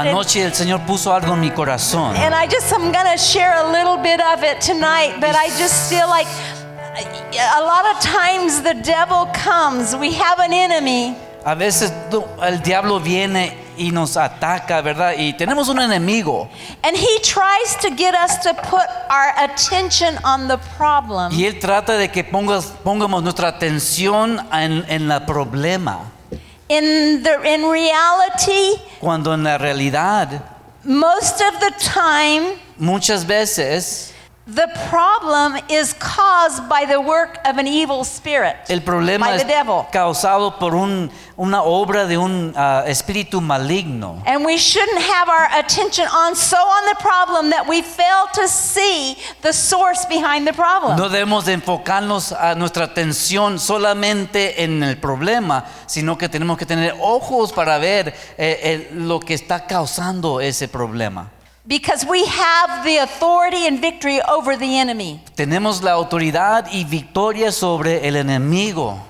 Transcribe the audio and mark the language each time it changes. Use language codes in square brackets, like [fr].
[es] Anoche, el Señor puso algo en mi corazón. [en] And I'm going to share a little bit of it tonight, but I just feel like a lot of times the devil comes. We have an enemy. [es] A veces el diablo viene y nos ataca, ¿verdad? Y tenemos un enemigo. [en] And he tries to get us to put our attention on the problem. [es] Y él trata de que pongamos nuestra atención en el problema. [en] In reality, [es] cuando en la realidad, [en] most of the time, [es] muchas veces, [en] the problem is caused by the work of an evil spirit. [es] El problema [en] by the devil. [es] Es causado por una obra de un espíritu maligno. [en] And we shouldn't have our attention on so on the problem that we fail to see the source behind the problem. [es] No debemos de enfocarnos a nuestra atención solamente en el problema, sino que tenemos que tener ojos para ver lo que está causando ese problema. [en] Because we have the authority and victory over the enemy. [es] Tenemos la autoridad y victoria sobre el enemigo.